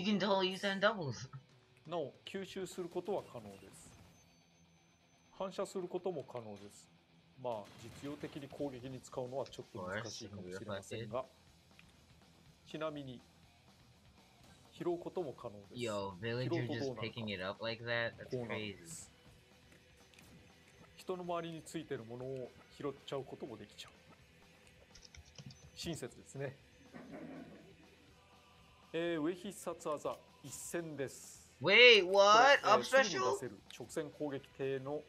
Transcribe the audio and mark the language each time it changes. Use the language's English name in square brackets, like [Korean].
[English] You can totally use doubles. [Japanese] なお、吸収することは可能です。反射することも可能です。まあ、実用的に攻撃に使うのはちょっと難しいかもしれませんが、ちなみに拾うことも可能です。 [English] Yo, villager just picking it up like that. That's crazy. [Japanese] 人の周りについてるものを拾っちゃうこともできちゃう。親切ですね。上必殺技、一閃です。 [English] Wait, what? Up special? [Japanese] 直線攻撃系の